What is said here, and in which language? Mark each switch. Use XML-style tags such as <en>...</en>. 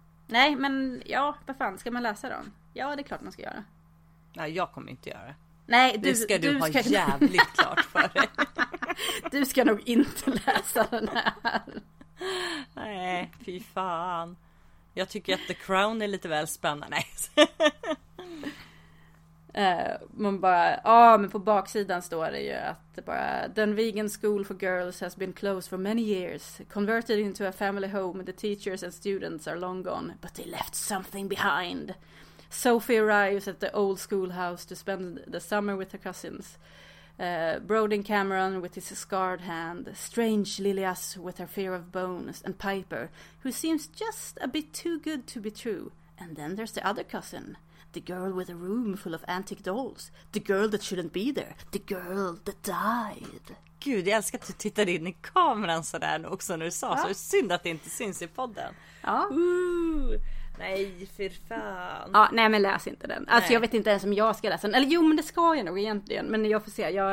<sv>Nej, men ja, vad fan, ska man läsa dem? Ja, det är klart man ska göra. Nej, jag kommer inte göra. Nej, du ska ha jävligt klart för dig. Du ska nog inte läsa den här. Nej, fy fan. Jag tycker att The Crown är lite väl spännande. Man bara, ah, men på baksidan står det ju att det bara, den</sv> <en>vegan school for girls has been closed for many years, converted into a family home, the teachers and students are long gone, but they left something behind. Sophie arrives at the old schoolhouse to spend the summer with her cousins. Brodin Cameron with his scarred hand, strange Lilias with her fear of bones, and Piper, who seems just a bit too good to be true. And then there's the other cousin, the girl with a room full of antique dolls, the girl that shouldn't be there, the girl that died.</en> <sv>Gud, jag älskar att du tittade in i kameran sådär också när du sa, ja, så synd att det inte syns i podden. Ja. Nej, för fan. Ja, nej, men läs inte den. Alltså, nej, jag vet inte ens om jag ska läsa den. Eller jo, men det ska jag nog egentligen. Men jag får se.</sv>